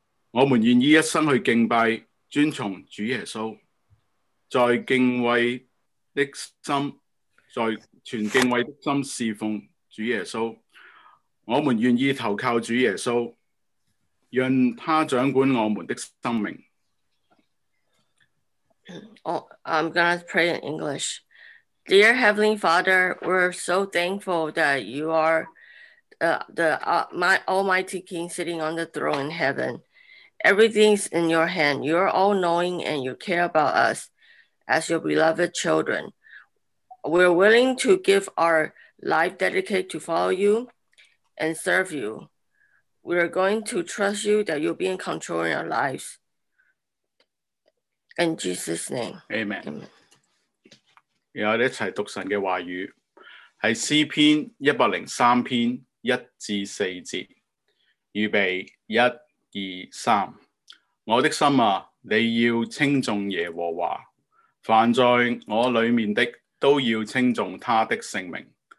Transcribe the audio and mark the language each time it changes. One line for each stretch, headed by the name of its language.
Chinese: 我们愿意一生去敬拜、尊崇主耶稣，在敬畏的心，在全敬畏的心侍奉主耶稣。我们愿意投靠主耶稣，让他掌管我们的生命。
English: Oh, I'm gonna pray in English. Dear Heavenly Father, we're so thankful that you are my Almighty King sitting on the throne in heaven. Everything's in your hand. You're all knowing and you care about us as your beloved children. We're willing to give our life dedicated to follow you and serve you. We're going to trust you that you'll be in control in our lives. In Jesus' name. Amen. Amen.
Chinese: 然后一起读神的话语，是诗篇103篇1至4节，预备1、2、3。我的心啊，你要称颂耶和华，凡在我里面的都要称颂他的圣名。